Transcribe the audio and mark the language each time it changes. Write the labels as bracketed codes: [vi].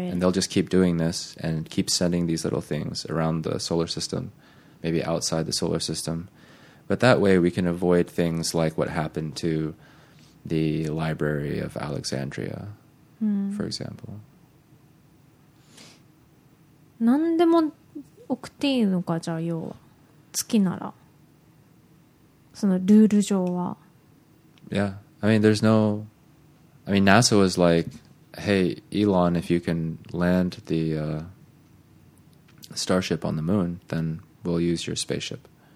[en] And they'll just keep doing this and keep sending these little things around the solar system, maybe outside the solar system. But that way we can avoid things like what happened to the Library of Alexandria, for example. [ja] なんでも送っていいのか、じゃあ要は。月なら。そのルール上は。 [en] Yeah, I mean there's no I mean NASA was like, hey Elon, if you can land the starship on the moon, then we'll use your spaceship.